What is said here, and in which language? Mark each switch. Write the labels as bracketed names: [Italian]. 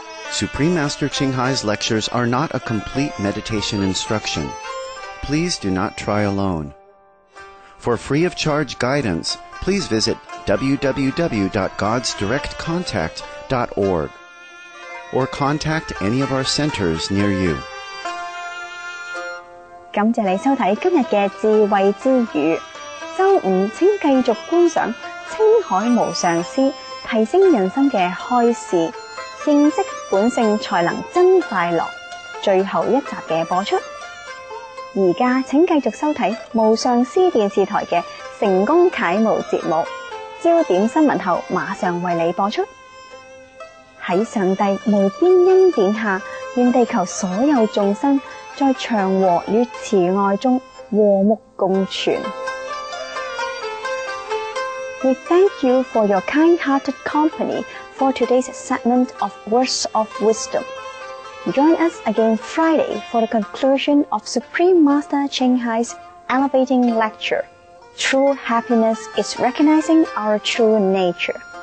[English] Supreme Master Qinghai's lectures are not a complete meditation instruction. Please do not try alone. For free of charge guidance, please visit www.godsdirectcontact.org or contact any of our centers near you. [Chinese] 感谢你收看今天的智慧之语。周五请继续观赏青海无上师。提升人生的开始，认识本性才能真快乐，最后一集的播出。现在请继续收看无上师电视台的成功楷模节目，焦点新闻后马上为你播出。在上帝无边恩典下，愿地球所有众生在祥和与慈爱中和睦共存。 [English] We thank you for your kind-hearted company for today's segment of Words of Wisdom. Join us again Friday for the conclusion of Supreme Master Ching Hai's Elevating Lecture, True Happiness is Recognizing Our True Nature.